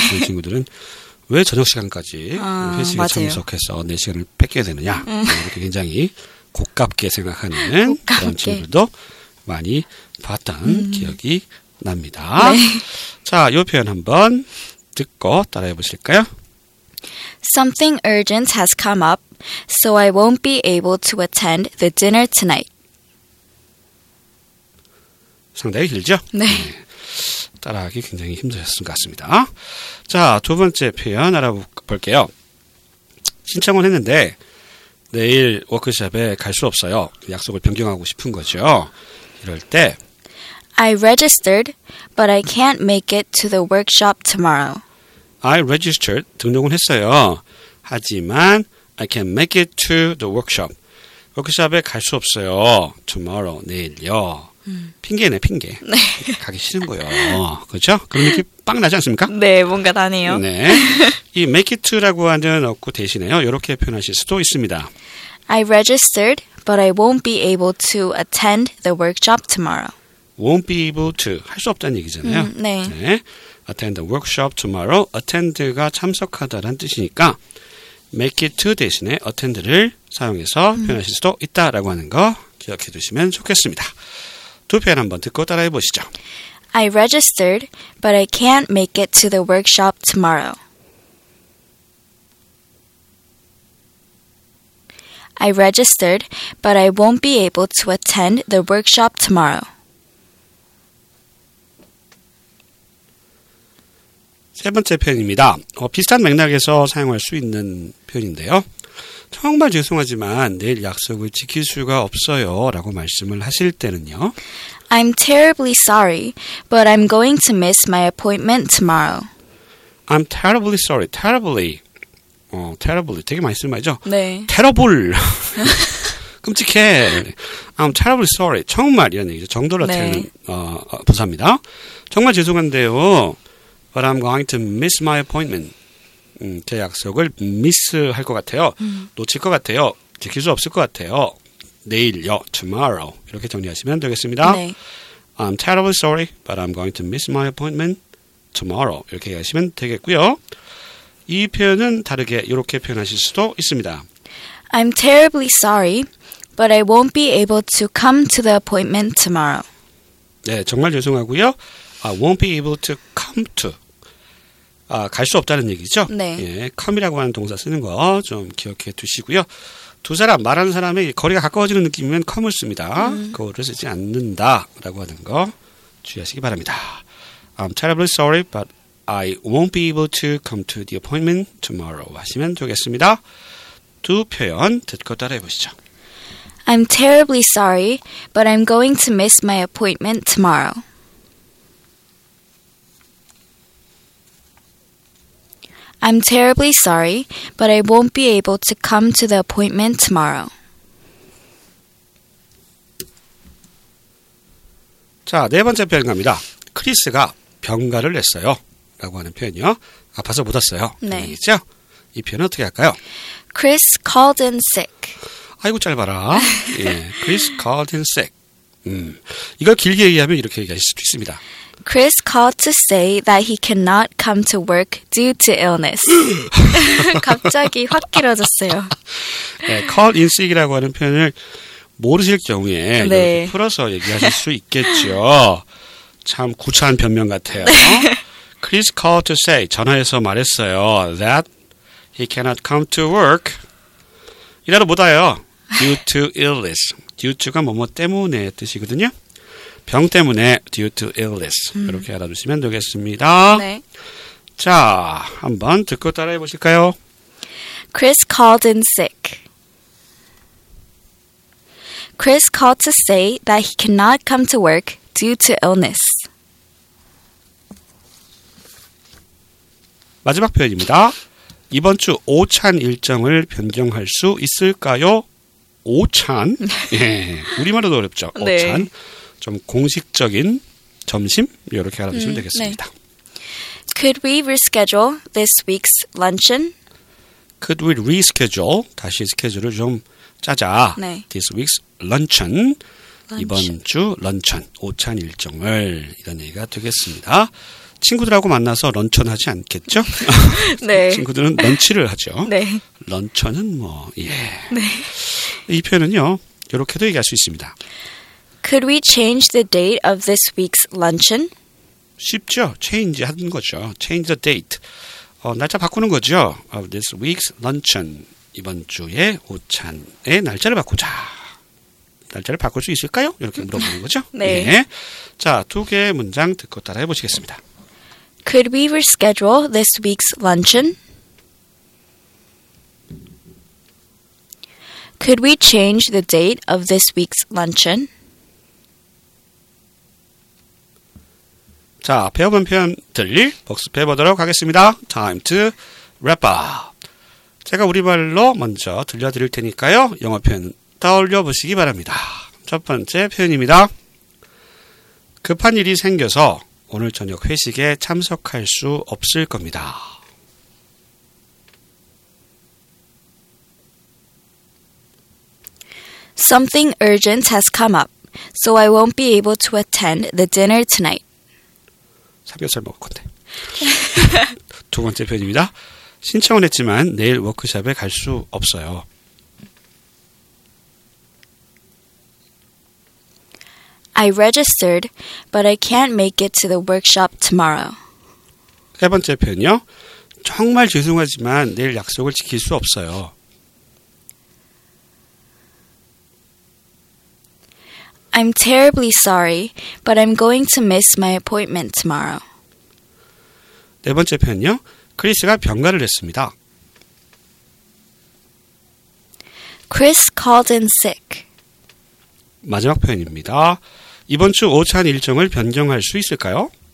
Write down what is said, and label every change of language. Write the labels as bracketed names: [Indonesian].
[Korean] 그런 친구들은 왜 저녁 시간까지 회식에 맞아요. 참석해서 내 시간을 뺏겨야 되느냐 이렇게 굉장히 고깝게 생각하는 고깝게. 그런 친구들도 많이 봤던 기억이 납니다. 네. 자, 이 표현 한번 듣고 따라해 보실까요? [English] Something urgent has come up, so I won't be able to attend the dinner tonight. [Korean] 상당히 길죠? 네. 따라하기 굉장히 힘드셨을 것 같습니다. 자, 두 번째 표현 알아볼게요. 신청은 했는데 내일 워크숍에 갈 수 없어요. 약속을 변경하고 싶은 거죠. 이럴 때 [English] I registered, but I can't make it to the workshop tomorrow. I registered, [Korean] 등록은 했어요. 하지만 [English] I can't make it to the workshop. [Korean] 워크숍에 갈 수 없어요. Tomorrow, 내일요. 핑계네, 핑계. 네. 가기 싫은 거요. 그렇죠? 그런 느낌 빡 나지 않습니까? 네, 뭔가 나네요. 네. 이 make it라고 하는 어구 대신에요. 이렇게 표현하실 수도 있습니다. [English] I registered, but I won't be able to attend the workshop tomorrow. Won't be able to. [Korean] 할 수 없다는 얘기잖아요. 네. 네. [English] Attend the workshop tomorrow. [Korean] Attend가 참석하다라는 뜻이니까 make it to 대신에 attend를 사용해서 표현하실 수도 있다라고 하는 거 기억해 두시면 좋겠습니다. 두 표현 한번 듣고 따라해 보시죠. [English] I registered, but I can't make it to the workshop tomorrow. I registered, but I won't be able to attend the workshop tomorrow. [Korean] 세 번째 표현입니다. 비슷한 맥락에서 사용할 수 있는 표현인데요. 정말 죄송하지만 내일 약속을 지킬 수가 없어요 라고 말씀을 하실 때는요. [English] I'm terribly sorry, but I'm going to miss my appointment tomorrow. I'm terribly sorry. Terribly. Terribly. [Korean] 되게 많이 쓰는 말이죠? 네. Terrible. 끔찍해. [English] I'm terribly sorry. [Korean] 정말 이런 얘기죠. 정도로 네. 부사입니다. 정말 죄송한데요. [English] But I'm going to miss my appointment. [Korean] 제 약속을 miss할 것 같아요. 놓칠 것 같아요. 지킬 수 없을 것 같아요. 내일요. Tomorrow. 이렇게 정리하시면 되겠습니다. 네. [English] I'm terribly sorry, but I'm going to miss my appointment tomorrow. [Korean] 이렇게 하시면 되겠고요. 이 표현은 다르게 이렇게 표현하실 수도 있습니다. [English] I'm terribly sorry, but I won't be able to come to the appointment tomorrow. [Korean] 네, 정말 죄송하고요. [English] I won't be able to come to. [Korean] 아, 갈 수 없다는 얘기죠? 네. 예, come이라고 하는 동사 쓰는 거 좀 기억해 두시고요. 두 사람, 말하는 사람의 거리가 가까워지는 느낌이면 come을 씁니다. 그거를 쓰지 않는다 라고 하는 거 주의하시기 바랍니다. [English] I'm terribly sorry, but I won't be able to come to the appointment tomorrow [Korean] 하시면 되겠습니다. 두 표현 듣고 따라해 보시죠. I'm terribly sorry, but I'm going to miss my appointment tomorrow. I'm terribly sorry, but I won't be able to come to the appointment tomorrow. 자, 네 번째 표현입니다. 크리스가 병가를 냈어요. 라고 하는 표현이요. 아파서 못 왔어요. 네. 그렇죠? 이 표현은 어떻게 할까요? [English] Chris called in sick. [Korean] 아이고, 짧아라. 예, [English] Chris called in sick. [Korean] 이걸 길게 얘기하면 이렇게 얘기하실 수도 있습니다. [English] Chris called to say that he cannot come to work due to illness. [Korean] 갑자기 확 길어졌어요. 네, call in sick이라고 하는 표현을 모르실 경우에 네. 풀어서 얘기하실 수 있겠죠. 참 구차한 변명 같아요. 네. [English] Chris called to say, [Korean] 전화해서 말했어요. [English] That he cannot come to work. [Korean] 이라도 못 와요. [English] Due to illness. [Korean] Due to가 뭐뭐 때문에 뜻이거든요. 병 때문에 [English] due to illness. [Korean] 이렇게 알아두시면 되겠습니다. 네. 자, 한번 듣고 따라해 보실까요? [English] Chris called in sick. Chris called to say that he cannot come to work due to illness. [Korean] 마지막 표현입니다. 이번 주 오찬 일정을 변경할 수 있을까요? 오찬? 예, 우리말로도 어렵죠. 오찬. 네. 좀 공식적인 점심? 이렇게 알아두시면 되겠습니다. 네. [English] Could we reschedule this week's luncheon? Could we reschedule? [Korean] 다시 스케줄을 좀 짜자. 네. [English] This week's luncheon. [Korean] 이번 주 런천, 오찬 일정을 이런 얘기가 되겠습니다. 친구들하고 만나서 런천 하지 않겠죠? 네. 친구들은 런치를 하죠. 네. 런천은 뭐, 예. 네. 이 표현은요, 이렇게도 얘기할 수 있습니다. [English] Could we change the date of this week's luncheon? [Korean] 쉽죠. Change 하는 거죠. [English] Change the date. [Korean] 날짜 바꾸는 거죠. [English] Of this week's luncheon. [Korean] 이번 주에 오찬의 날짜를 바꾸자. 날짜를 바꿀 수 있을까요? 이렇게 물어보는 거죠. 네. 예. 자, 두 개의 문장 듣고 따라해 보시겠습니다. [English] Could we reschedule this week's luncheon? Could we change the date of this week's luncheon? [Korean] 자, 배워본 표현들 복습해 보도록 하겠습니다. [English] Time to wrap up. [Korean] 제가 우리말로 먼저 들려드릴 테니까요. 영어 표현 떠올려 보시기 바랍니다. 첫 번째 표현입니다. 급한 일이 생겨서 오늘 저녁 회식에 참석할 수 없을 겁니다. [English] 'Something urgent has come up, so I won't be able to attend the dinner tonight.' [Korean] 삼겹살 먹을 건데. 두 번째 표현입니다. 신청은 했지만 내일 워크숍에 갈 수 없어요. [English] I registered, but I can't make it to the workshop tomorrow. [Korean] 세 번째 표현이요. 정말 죄송하지만 내일 약속을 지킬 수 없어요. [English] I'm terribly sorry, but I'm going to miss my appointment tomorrow. [Korean] 네 번째 표현이요. 크리스가 병가를 냈습니다. [English] Chris called in sick. [Korean] 마지막 표현입니다. 이번 주 오찬 일정을 변경할 수 있을까요?